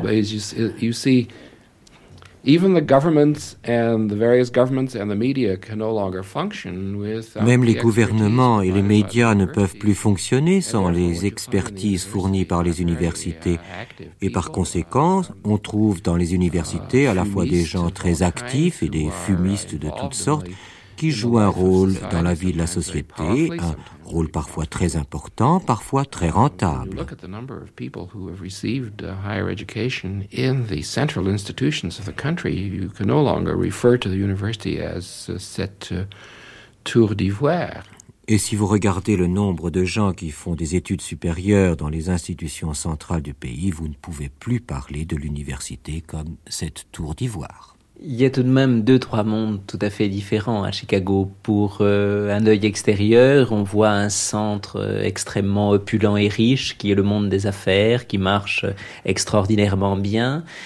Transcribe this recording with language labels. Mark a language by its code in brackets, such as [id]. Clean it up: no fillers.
[en] But you see, even the governments and the various governments and the media can no longer function without. [fr] Même les gouvernements et les médias ne peuvent plus fonctionner sans les expertises fournies par les universités. Et par conséquent, on trouve dans les universités à la fois des gens très actifs et des fumistes de toutes sortes qui jouent un rôle dans la vie de la société, un rôle parfois très important, parfois très rentable. [en] Look at the number of people who have received higher education in the central institutions of the country. You can no longer refer to the university as [fr] cette tour d'ivoire. Et si vous regardez le nombre de gens qui font des études supérieures dans les institutions centrales du pays, vous ne pouvez plus parler de l'université comme cette tour d'ivoire. Il y a tout de même deux, trois mondes tout à fait différents à Chicago. Pour un œil extérieur, on voit un centre extrêmement opulent et riche, qui est le monde des affaires, qui marche extraordinairement bien.